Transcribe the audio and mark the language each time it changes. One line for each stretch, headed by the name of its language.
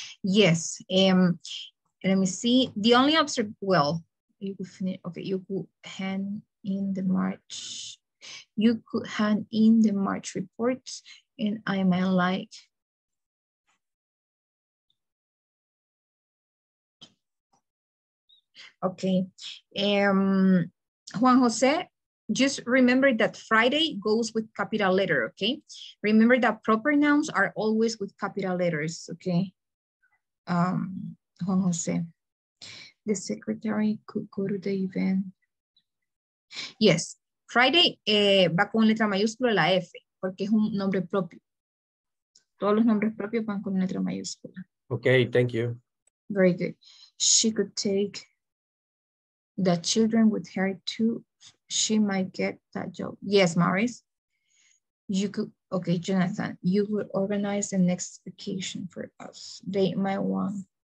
English: Yes, let me see, the only observation, well, you could finish, okay, you could hand in the March, you could hand in the March reports and I might like, okay, Juan Jose, just remember that Friday goes with capital letter, okay? Remember that proper nouns are always with capital letters, okay? Juan Jose, the secretary could go to the event.
Spanish: Yes, Friday va con letra mayúscula la F, porque es un nombre propio. Todos los nombres propios van con letra mayúscula.
English: Okay, thank you. Very good. She could take the children with her too. She might get that job. Yes, Maurice. You could, okay, Jonathan, you would organize the next vacation for us. They might want.